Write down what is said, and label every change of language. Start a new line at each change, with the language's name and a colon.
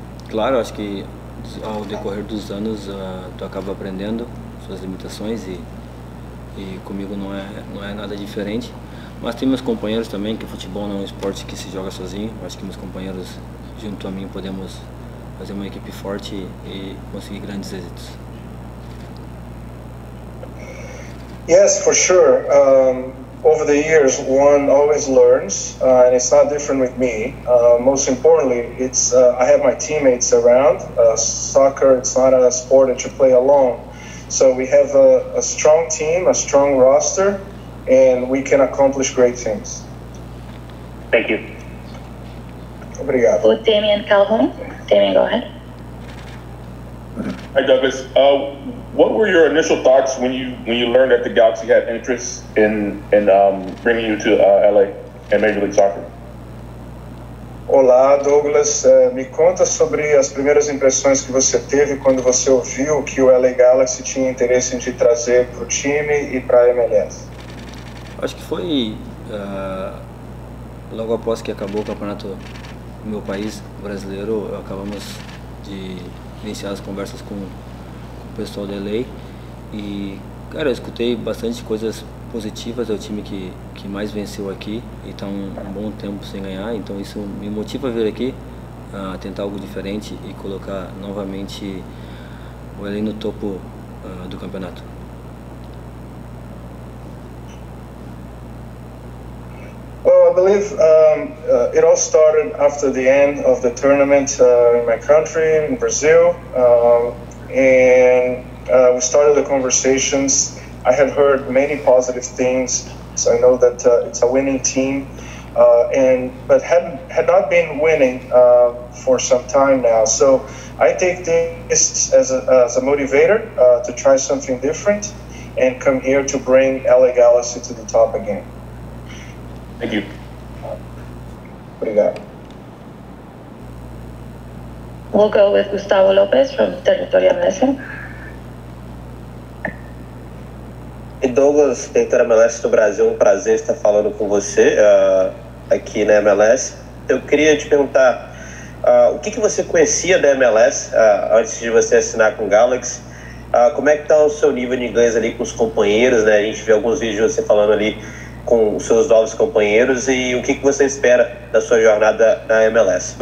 Portuguese: Claro, acho que ao decorrer dos anos, tu acaba aprendendo suas limitações e comigo não é nada diferente. Mas tem meus companheiros também, que futebol não é um esporte que se joga sozinho. Acho que meus companheiros, junto a mim, podemos fazer uma equipe forte e conseguir grandes êxitos.
English: Yes, for sure. over the years, one always learns, and it's not different with me. Most importantly, I have my teammates around. Soccer, it's not a sport that you play alone. So we have a strong team, a strong roster, and we can accomplish great things. Thank you.
Portuguese: Obrigado.
English: With Damian Calhoun. Damian, go ahead. Hi, Douglas. What were your initial thoughts when you learned that the Galaxy had interest in bringing you to LA and Major League Soccer?
Portuguese: Olá, Douglas. Me conta sobre as primeiras impressões que você teve quando você ouviu que o LA Galaxy tinha interesse em te trazer para o time e para a MLS. Acho que foi logo após que acabou o campeonato no meu país brasileiro, acabamos de iniciar as conversas com o pessoal da LA. E, cara, eu escutei bastante coisas positivas. É o time que mais venceu aqui e está um bom tempo sem ganhar. Então isso me motiva a vir aqui a tentar algo diferente e colocar novamente o LA no topo do campeonato.
English: Well, I believe it all started after the end of the tournament in my country, in Brazil, and we started the conversations. I had heard many positive things, so I know that it's a winning team, but had not been winning for some time now. So I take this as a motivator to try something different and come here to bring LA Galaxy to the top again. Thank you.
Portuguese: Obrigado.
English: We'll go with Gustavo Lopez from Territorio MLS.
Portuguese: E Douglas, Territorio MLS do Brasil, um prazer estar falando com você aqui na MLS. Eu queria te perguntar o que você conhecia da MLS antes de você assinar com o Galaxy? Como é que está o seu nível de inglês ali com os companheiros, né? A gente vê alguns vídeos de você falando ali com os seus novos companheiros e o que você espera da sua jornada na MLS?